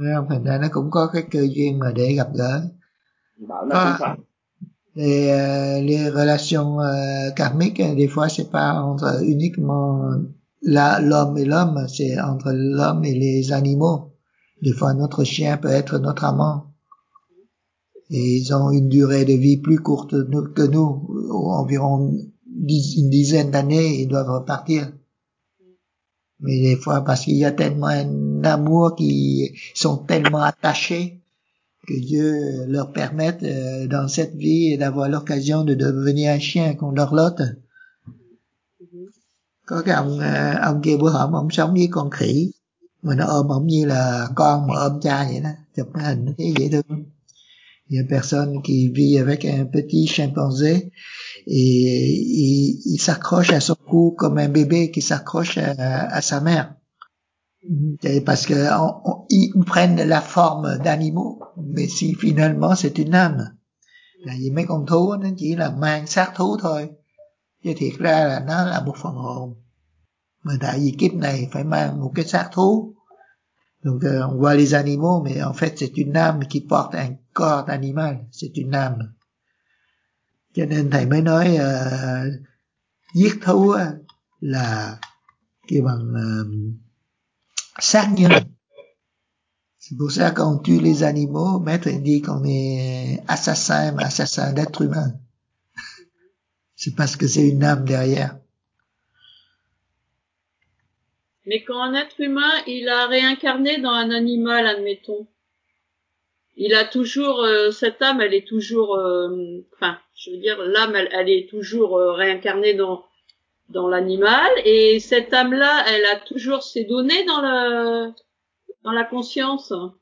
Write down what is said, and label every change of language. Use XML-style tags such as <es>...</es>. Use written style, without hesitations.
<vi>Hình ra nó cũng có cái cơ duyên mà để gặp gỡ. Bảo là</vi> <fr>les relations karmiques, des fois c'est pas entre uniquement l'homme et l'homme, c'est entre l'homme et les animaux. Des fois notre chien peut être notre amant. Et ils ont une durée de vie plus courte que nous, environ une dizaine d'années, ils doivent repartir. Mais des fois, parce qu'il y a tellement d'amour qui sont tellement attachés que Dieu leur permette dans cette vie d'avoir l'occasion de devenir un chien qu'on leur lote.</fr> <vi>Có cái ông kia bữa hôm ông sống với con khỉ mà nó ôm ông như là con mà ôm cha vậy đó, chụp cái hình nó thấy dễ thương.</vi> <fr>Il y a une personne qui vit avec un petit chimpanzé et il s'accroche à son cou comme un bébé qui s'accroche à sa mère. Et parce qu'ils prennent la forme d'animaux, mais si finalement c'est une âme.</fr> <vi>Là vì mấy con thú nó chỉ là mang xác thú thôi, chứ thiệt ra là nó là một phần hồn. Mà tại vì kiếp này phải mang một cái xác thú.</vi> <fr>Donc on voit les animaux, mais en fait c'est une âme qui porte un corps d'animal, c'est une âme.</fr> <vi>Cho nên thầy mới nói giết thú là kêu bằng xác nhân.</vi> <fr>C'est pour ça qu'on tue les animaux, maître dit qu'on est assassin, mais assassin d'être humain. C'est parce que c'est une âme derrière. Mais quand un être humain, il a réincarné dans un animal, admettons, il a toujours, cette âme, elle est toujours, enfin, je veux dire, l'âme, elle est toujours réincarnée dans l'animal, et cette âme-là, elle a toujours ses données dans la conscience.</fr>